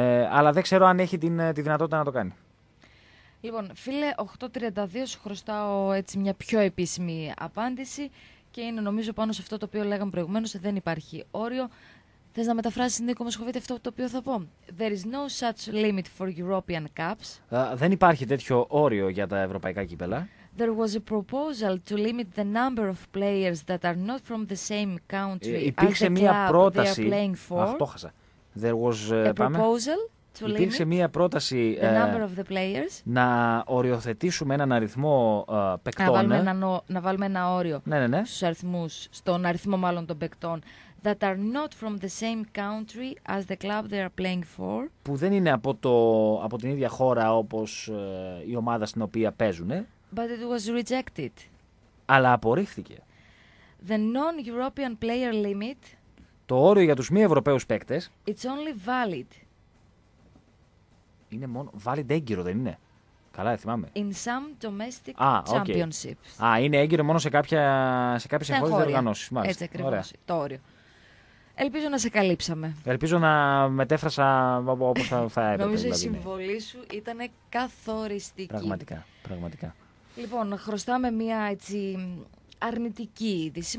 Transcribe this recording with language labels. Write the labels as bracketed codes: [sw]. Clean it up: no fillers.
[el] Αλλά δεν ξέρω αν έχει τη δυνατότητα να το κάνει. Λοιπόν, φίλε, 8.32 σου χρωστάω έτσι μια πιο επίσημη απάντηση και είναι νομίζω πάνω σε αυτό το οποίο λέγαμε προηγουμένως, δεν υπάρχει όριο. Θες να μεταφράσεις, Νίκο Μοσχοβίτη, αυτό το οποίο θα πω. [en] There is no such limit for European Cups. [el] Δεν υπάρχει τέτοιο όριο για τα ευρωπαϊκά κύπελα. [en] There was a proposal to limit the number of players that are not from the same country as the club they are playing for. [el] Υπήρξε μία πρόταση. [en] There was a proposal to limit. [el] Υπήρξε μία πρόταση. [en] The number of the players. [el] Να οριοθετήσουμε έναν αριθμό παικτών. Να βάλουμε ένα όριο. Ναι, ναι, ναι. Στους αριθμούς, στον αριθμό μάλλον των παικτών. [en] That are not from the same country as the club they are playing for. [el] Που δεν είναι από την ίδια χώρα όπως η ομάδα στην οποία παίζουνε. [en] But it was rejected. [el] Αλλά απορρίφθηκε. [en] The non-European player limit. [el] Το όριο για τους μη Ευρωπαίους παίκτες. [en] It's only valid. [el] Είναι μόνο valid έγκυρο, δεν είναι. Καλά, δεν θυμάμαι. [en] In some domestic championships. Okay. [el] Είναι έγκυρο μόνο σε κάποιες εγχώριες διοργανώσεις. Έτσι ακριβώς. Ωραία. Το όριο. Ελπίζω να σε καλύψαμε. Ελπίζω να μετέφρασα όπως θα έπρεπε. Νομίζω η συμβολή σου ήταν καθοριστική. Πραγματικά. Λοιπόν, χρωστάμε μια έτσι αρνητική είδηση.